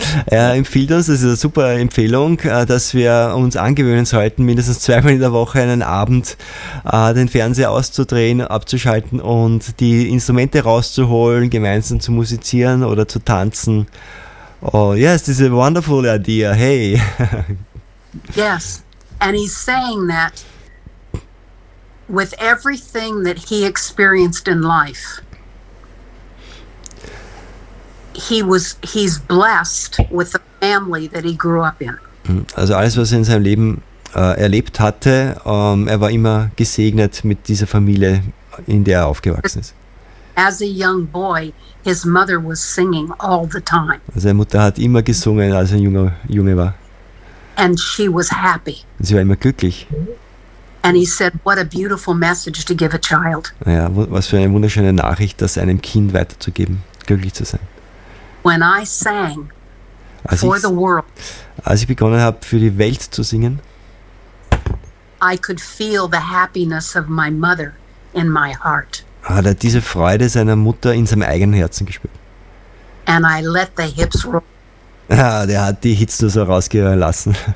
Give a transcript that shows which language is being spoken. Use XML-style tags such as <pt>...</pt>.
<de>Er empfiehlt uns, das ist eine super Empfehlung, dass wir uns angewöhnen sollten, mindestens zweimal in der Woche einen Abend den Fernseher auszudrehen, abzuschalten und die Instrumente rauszuholen, gemeinsam zu musizieren oder zu tanzen.</de> <en>Oh yes, this is a wonderful idea, hey. Yes, and he's saying that with everything that he experienced in life, he's blessed with the family that he grew up in.</en> <de>Also alles, was er in seinem Leben erlebt hatte, er war immer gesegnet mit dieser Familie, in der er aufgewachsen ist.</de> <en>As a young boy, his mother was singing all the time.</en> <de>Also seine Mutter hat immer gesungen, als er ein Junge war.</de> <en>And she was happy.</en> <de>Sie war immer glücklich.</de> <en>And he said, what a beautiful message to give a child.</en> <de>Ja, was für eine wunderschöne Nachricht, das einem Kind weiterzugeben, glücklich zu sein.</de> <en>When I sang for the world,</en> <de>als ich begonnen habe, für die Welt zu singen,</de> <en>I could feel the happiness of my mother in my heart.</en> <de>Hat er diese Freude seiner Mutter in seinem eigenen Herzen gespürt.</de> <en>And I let the hips roll.</en> <de>Ja, der hat die Hits nur so rausgelassen.</de>